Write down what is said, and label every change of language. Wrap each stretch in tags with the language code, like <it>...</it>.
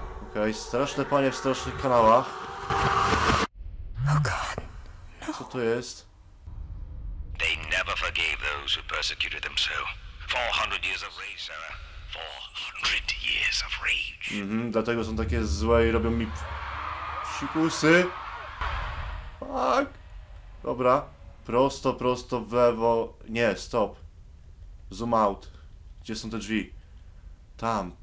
<pl>Okej, okay, straszne panie w strasznych kanałach. Co to jest?</pl> <en>They never forgave those who persecuted them so. 400 years of rage, Sarah. 400 years of rage.</en> <pl>Mhm, dlatego są takie złe i robią mi psikusy. Fuck. Dobra. Prosto, prosto, w lewo. Nie, stop.</pl> <en>Zoom out.</en> <pl>Gdzie są te drzwi? Tam.</pl>